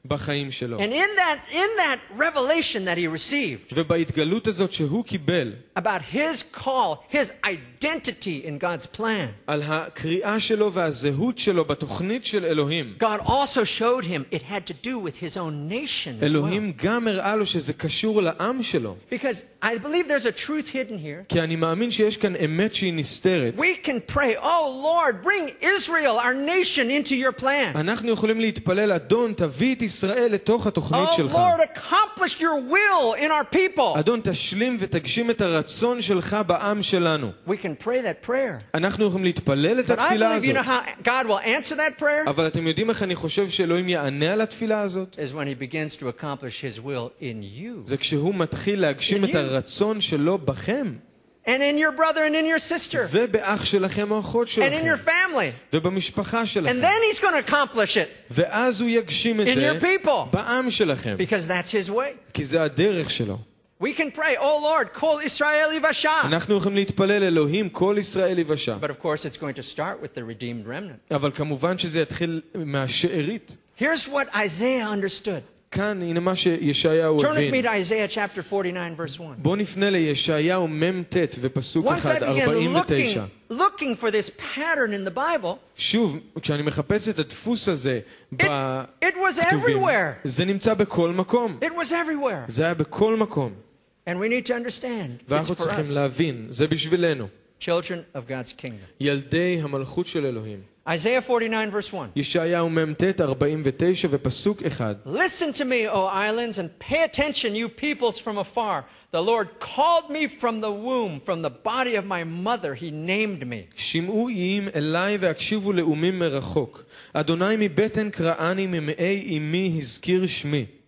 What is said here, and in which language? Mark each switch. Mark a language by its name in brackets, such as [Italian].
[English] And in that revelation that he received about his call, his identity in God's plan, God also showed him it had to do with his own nation as well. Because I believe there's a truth hidden here. We can pray, "Oh Lord, bring Israel, our nation, into your plan. Oh Lord, accomplish your will in our people." [Hebrew] אדון, תשלים ותגשים את הרצון שלך בעם שלנו. [English] We can pray that prayer. [Hebrew] אנחנו יכולים להתפלל את התפילה הזאת. [English] But I believe you know how God will answer that prayer. [Hebrew] אבל אתם יודעים איך אני חושב שאלוהים יענה על התפילה הזאת? [English] Is when he begins to accomplish his will in you. [Hebrew] זה כשהוא מתחיל להגשים את הרצון שלו בכם. [English] And in your brother and in your sister. [Hebrew] ובאח שלכם או אחות שלכם. [English] And in your family. [Hebrew] ובמשפחה שלכם. [English] And then he's going to accomplish it. [Hebrew] ואז הוא יגשים את זה. [English] In your people. [Hebrew] בעם שלכם. [English] Because that's his way. [Hebrew] כי זה הדרך שלו. [English] We can pray, "Oh Lord, call Israel Ivasha." [Hebrew] אנחנו יכולים להתפלל, "אלוהים, [English] call Israel Ivasha." But of course, it's going to start with the redeemed remnant. [Hebrew] אבל כמובן שזה יתחיל מהשארית. [English] Here's what Isaiah understood. [Hebrew] כאן, הנה מה שישעיהו הבין. [English] Turn with me to Isaiah chapter 49, verse 1. [Hebrew] בוא נפנה לישעיהו ממתת ופסוק אחד, 49. [English] Looking for this pattern in the Bible, [Hebrew] שוב, כשאני מחפש את הדפוס הזה בכתובים, [English] it was everywhere. [Hebrew] זה נמצא בכל מקום. [English] It was everywhere. [Hebrew] זה היה בכל מקום. [English] And we need to understand, [Hebrew] ואנחנו צריכים להבין, זה בשבילנו. [English] Children of God's kingdom. [Hebrew] ילדי המלכות של אלוהים. [English] Isaiah 49 verse 1. [Hebrew] ישעיהו מ"ט 49 ופסוק 1. [English] Listen to me, O islands, and pay attention, you peoples from afar. The Lord called me from the womb, from the body of my mother, he named me. [Hebrew] שמעו איים אליי והקשיבו לאומים מרחוק. אדוני מבטן קראני ממאי אמי הזכיר שמי.